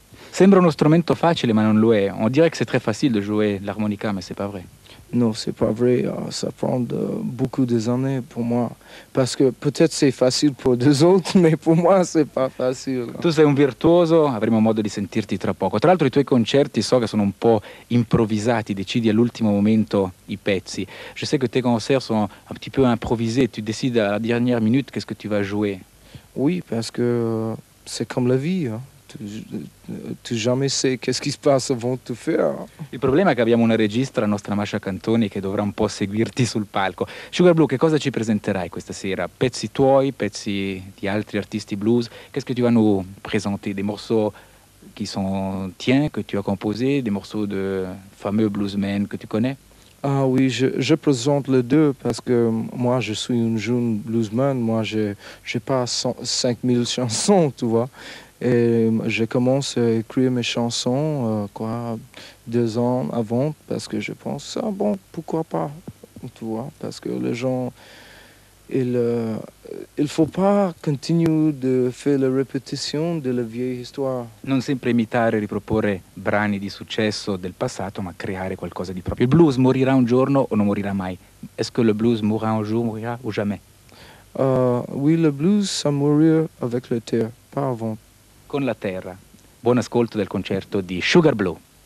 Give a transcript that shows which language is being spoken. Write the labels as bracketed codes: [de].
[it] Sembra uno strumento facile, ma non lo è. [fr] On dirait que c'est très facile de jouer l'harmonica, mais c'est pas vrai. Non, c'est pas vrai, ça prend beaucoup d'années pour moi. Parce que peut-être c'est facile pour deux autres, mais pour moi c'est pas facile. [it] Tu sei un virtuoso, avremo modo di sentirti tra poco. Tra l'altro i tuoi concerti so che sono un po' improvvisati, decidi all'ultimo momento i pezzi. [fr] Je sais que tes concerts sont un petit peu improvisés, tu décides à la dernière minute qu'est-ce que tu vas jouer. Oui, parce que c'est comme la vie, hein. Tu jamais sais qu'est-ce qui se passe avant de faire. [it] Il problema è che abbiamo una regista, la nostra Masha Cantoni, che dovrà un po' seguirti sul palco. Sugar Blue, che cosa ci presenterai questa sera? Pezzi tuoi, pezzi di altri artisti blues? [fr] Qu'est-ce que tu vas nous présenter? Des morceaux qui sont tiens, que tu as composé, des morceaux de fameux bluesmen que tu connais? Ah oui, je présente les deux parce que moi je suis un jeune bluesman, moi j'ai pas 5000 chansons, tu vois. Et je commence à écrire mes chansons, quoi, 2 ans avant, parce que je pense, ah bon, pourquoi pas, tu vois, parce que les gens, il faut pas continuer de faire la répétition de la vieille histoire. [it] Non sempre imitare, riproporre brani di successo del passato, ma creare qualcosa di proprio. Il blues morirà un giorno o non morirà mai? [fr] Est-ce que le blues mourra un jour, mourra ou jamais? Oui, le blues, ça mourir avec la terre, pas avant. [it] Con la terra. Buon ascolto del concerto di Sugar Blue.